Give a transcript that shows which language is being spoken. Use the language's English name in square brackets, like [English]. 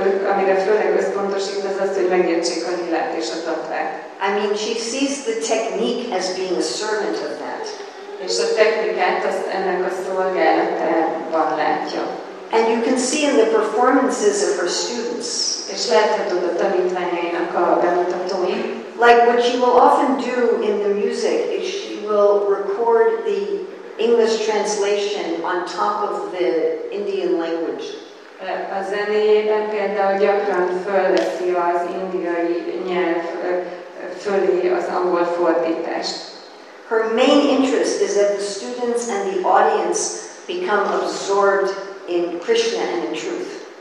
[Hungarian] Amire főleg összpontosít, az az, hogy megértsék a lilát és a tattvát. [English] I mean, she sees the technique as being a servant of that. [Hungarian] És a technikát ennek a szolgálatában látja. [English] And you can see in the performances of her students. [Hungarian] És látható a tanítványainak a bemutatóin. [English] Like what she will often do in the music is she will record the English translation on top of the Indian language. [Hungarian] A zenéjében például gyakran fölveszi az indiai nyelv fölé az angol fordítást. [English] Her main interest is that the students and the audience become absorbed in Krishna and in truth.